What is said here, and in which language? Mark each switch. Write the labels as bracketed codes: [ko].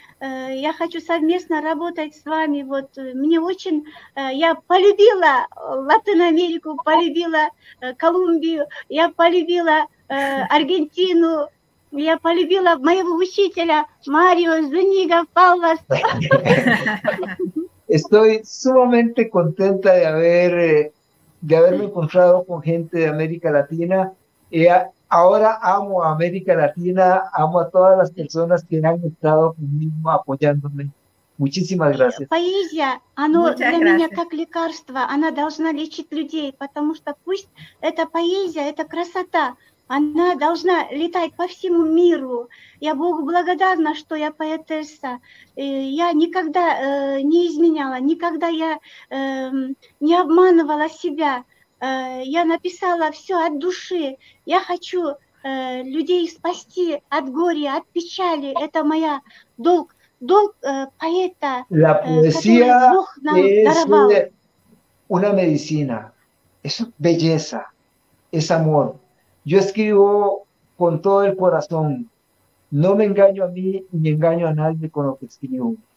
[ru] Я хочу совместно работать с вами. Вот мне очень, я полюбила Латиноамерику, полюбила Колумбию, я полюбила Аргентину, я полюбила моего учителя Марио Зуниго Палвас. [es] Estoy sumamente contenta de haberme encontrado con gente de América Latina. Ahora amo a América Latina, amo a todas las personas que han estado conmigo apoyándome. Muchísimas gracias. [ru] Поэзия, она для gracias. Меня как лекарство, она должна лечить людей, потому что пусть эта поэзия, эта красота, она должна летать по всему миру. Я Богу благодарна, что я поэтесса. Я никогда не изменяла, никогда я не обманывала себя. Я написала все от души. Я хочу людей спасти от горя, от печали. Это моя долг, долг поэта. [es] La poesía es una medicina. Es belleza. Es amor. Yo escribo con todo el corazón. No me engaño a mí ni engaño a nadie con lo que escribo.